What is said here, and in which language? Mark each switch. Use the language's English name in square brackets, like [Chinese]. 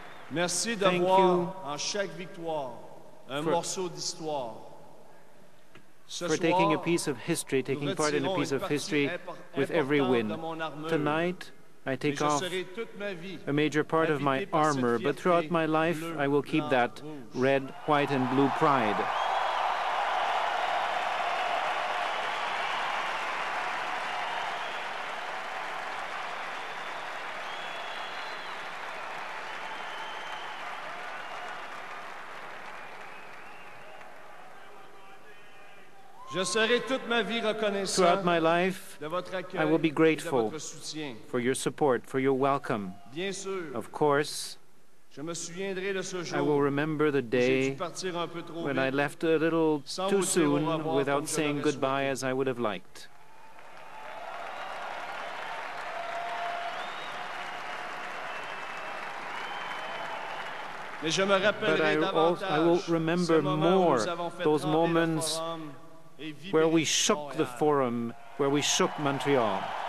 [French] Merci d'avoir en chaque victoire un morceau d'histoire. [English] For taking a piece of history, taking part in a piece of history with every win. Tonight, I take off a major part of my armor, but throughout my life, I will keep that red, white, and blue pride. [French] Je serai toute ma vie reconnaissant [English] Throughout my life, [French] de votre accueil [English] I will be grateful [French] et de votre soutien. [English] For your support, for your welcome. [French] Bien sûr, [English] of course, [French] je me souviendrai de ce jour [English] I will remember the day [French] j'ai dû partir un peu trop [English] when [French] vite, [English] I left a little too soon without saying goodbye [French] souhaité. [English] As I would have liked. [French] Mais je me rappellerai [English] but [French] davantage [English] I will remember [French] moment [English] more those moments where we shook the forum, where we shook Montreal.